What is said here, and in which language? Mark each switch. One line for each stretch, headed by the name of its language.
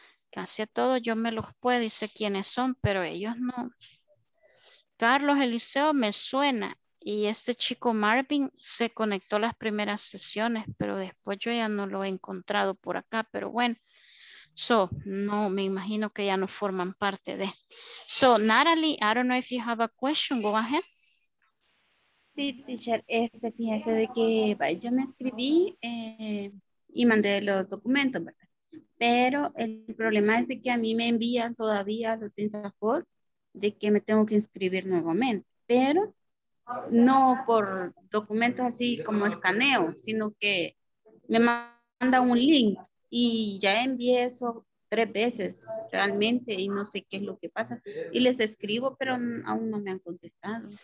Spanish: Casi a todos yo me los puedo y sé quiénes son, pero ellos no. Carlos Eliseo me suena y este chico Marvin se conectó a las primeras sesiones, pero después yo ya no lo he encontrado por acá, pero bueno. So, no, me imagino que ya no forman parte de.
English: So, Natalie, I don't know if you have a question, go ahead.
Spanish: Sí, teacher, fíjese de que yo me escribí y mandé los documentos, ¿verdad? Pero el problema es de que a mí me envían todavía los INSAFORP de que me tengo que inscribir nuevamente, pero no por documentos así como escaneo, sino que me manda un link y ya envié eso 3 veces realmente y no sé qué es lo que pasa y les escribo pero aún no me han contestado.